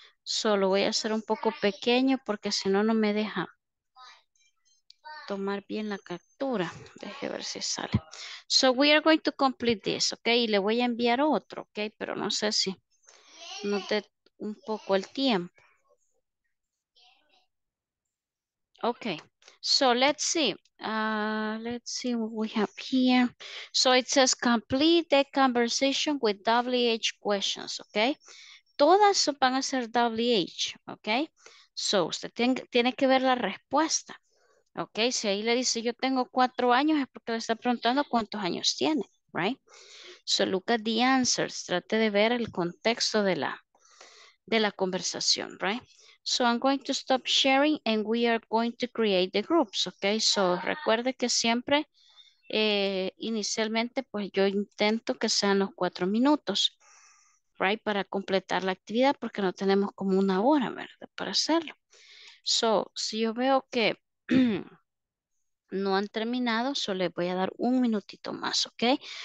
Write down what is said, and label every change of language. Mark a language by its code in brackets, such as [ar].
[es] So lo voy a hacer un poco pequeño porque si no, no me deja tomar bien la captura. Deje ver si sale. [en] So we are going to complete this, okay? [es] Y le voy a enviar otro, okay? Pero no sé si nos dé un poco el tiempo. [en] Okay. So let's see. Let's see what we have here. So it says complete the conversation with WH questions, okay? [es] Todas van a ser WH, okay? So usted tiene que ver la respuesta, okay? Si ahí le dice yo tengo 4 años, es porque le está preguntando cuántos años tiene, right? [en] So look at the answers. [es] Trate de ver el contexto de la conversación, right? [en] So I'm going to stop sharing and we are going to create the groups, okay? [es] So recuerde que siempre, inicialmente, pues yo intento que sean los 4 minutos, right? Para completar la actividad, porque no tenemos como una hora, ¿verdad? Para hacerlo. So, si yo veo que no han terminado, solo les voy a dar un minutito más, okay?